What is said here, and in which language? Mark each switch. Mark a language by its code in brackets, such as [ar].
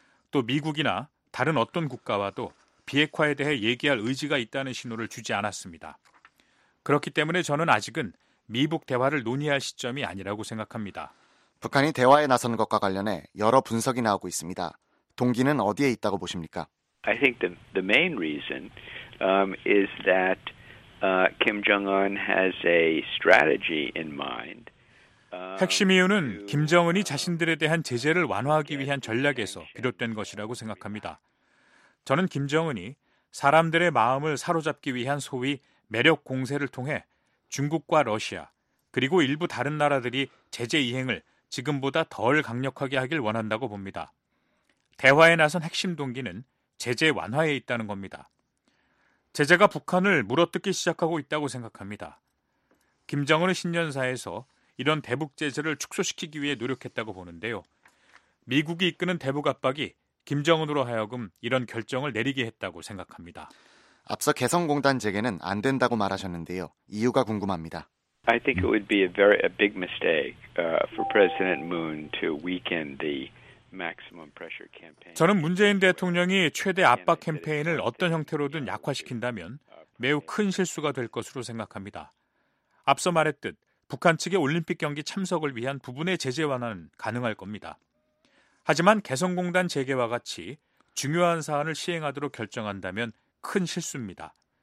[ko] 또 미국이나 다른 어떤 국가와도 비핵화에 대해 얘기할 의지가 있다는 신호를 주지 않았습니다. 그렇기 때문에 저는 아직은 미북 대화를 논의할 시점이 아니라고 생각합니다. 북한이 대화에 나선 것과 관련해 여러 분석이 나오고 있습니다. 동기는 어디에 있다고 보십니까? [en] I think the main reason is that Kim Jong-un has a strategy in mind. [ko] 핵심 이유는 김정은이 자신들에 대한 제재를 완화하기 위한 전략에서 비롯된 것이라고 생각합니다. 저는 김정은이 사람들의 마음을 사로잡기 위한 소위 매력 공세를 통해 중국과 러시아 그리고 일부 다른 나라들이 제재 이행을 지금보다 덜 강력하게 하길 원한다고 봅니다. 대화에 나선 핵심 동기는 제재 완화에 있다는 겁니다. 제재가 북한을 물어뜯기 시작하고 있다고 생각합니다. 김정은의 신년사에서 이런 대북 제재를 축소시키기 위해 노력했다고 보는데요. 미국이 이끄는 대북 압박이 김정은으로 하여금 이런 결정을 내리게 했다고 생각합니다. 앞서 개성공단 재개는 안 된다고 말하셨는데요. 이유가 궁금합니다. [en] I think it would be a very a big mistake for President Moon to weaken the maximum pressure campaign. [ko] 저는 문재인 대통령이 최대 압박 캠페인을 어떤 형태로든 약화시킨다면 매우 큰 실수가 될 것으로 생각합니다. 앞서 말했듯 북한 측의 올림픽 경기 참석을 위한 부분의 제재 완화는 가능할 겁니다. 하지만 개성공단 재개와 같이 중요한 사안을 시행하도록 결정한다면 큰 실수입니다.